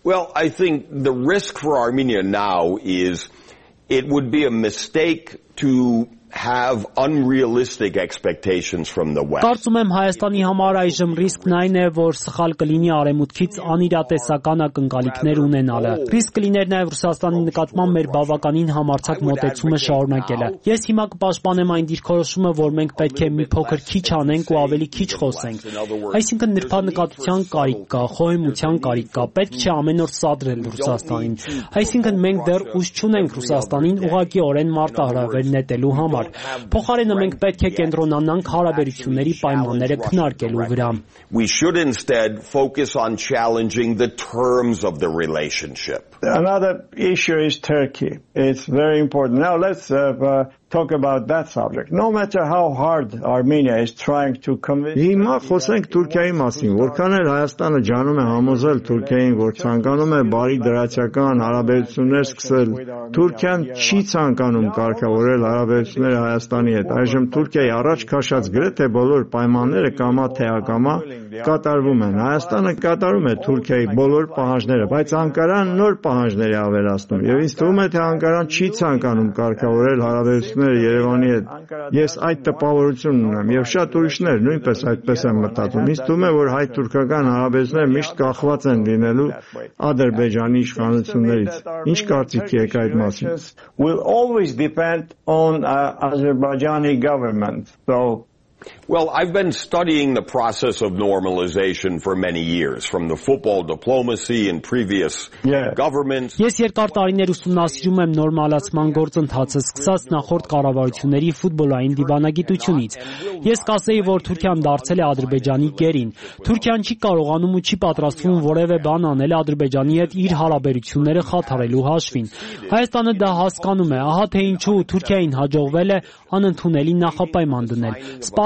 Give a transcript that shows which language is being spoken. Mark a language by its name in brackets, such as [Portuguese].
[English] Well, I think the risk for Armenia now is it would be a mistake to have unrealistic expectations from the West. [Armenian] Կարծում եմ Հայաստանի համար այժմ ռիսկն այն է, որ սխալ կլինի Արեմուտքից անիրատեսական ակնկալիքներ ունենալը։ Ռիսկ կլիներ նաև Ռուսաստանի նկատմամբ մեր բավականին համարձակ մոտեցումը շարունակելը։ Ես հիմա կպաշտպանեմ այն դիրքորոշումը, որ մենք պետք է մի փոքր քիչ անենք ու ավելի քիչ խոսենք։ Այսինքն նրբանկատության կարիք կա, խոհեմության կարիք կա, պետք չէ ամեն օր սադրել Ռուսաստանին։ Այսինքն մենք դեռ ուժ չունենք Ռուսաստանին ուղղակիորեն մարտահրավեր նետելու համար։ Փոխարենը մենք պետք է կենտրոնանանք հարաբերությունների պայմանները քննարկելու վրա։ [English] We should instead focus on challenging the terms of the relationship. Another issue is Turkey. It's very important. Now let's talk about that subject. No matter how hard Armenia is trying to convince [Armenian] Հիմա խոսենք Թուրքիայի մասին, որքան էլ Հայաստանը ջանում է համոզել Թուրքիային, որ ցանկանում է բարի դրացական հարաբերություններ սկսել, Թուրքիան չի ցանկանում կարգավորել հարաբերությունները Հայաստանի հետ։ Այժմ Թուրքիայի առաջ քաշած գրեթե բոլոր պայմանները կամա թե ակամա կատարվում են։ Հայաստանը կատարում է Թուրքիայի բոլոր պահանջները, բայց Անկարան նոր պահանջներ է ավելացնում, եւ ինձ թվում է, թե Անկարան չի ցանկանում կարգավորել հարաբերությունները Երևանի հետ։ Ես այդ տպավորությունն ունեմ եւ շատ ուրիշներ նույնպես այդպես են մտածում։ Ինձ թվում է, որ հայ-թուրքական հարաբերությունները միշտ կախված են լինելու Ադրբեջանի իշխանություններից։ Ինչ կարծիք եք այդ մասին? [English] Will always depend on Azerbaijani government. So Well, I've been studying the process of normalization for many years, from the football diplomacy and previous governments. [Armenian] Ես երկար տարիներ ուսումնասիրում եմ նորմալացման գործընթացը, սկսած նախորդ կառավարությունների ֆուտբոլային դիվանագիտությունից։ Ես կասեի, որ Թուրքիան դարձել է Ադրբեջանի գերին։ Թուրքիան չի կարողանում ու չի պատրաստվում որևէ բան անել Ադրբեջանի հետ իր հարաբերությունները խաթարելու հաշվին։ Հայաստանը դա հասկանում է, ահա թե ինչու Թուրքիային հաջողվել է անընդունելի նախապայման դնել։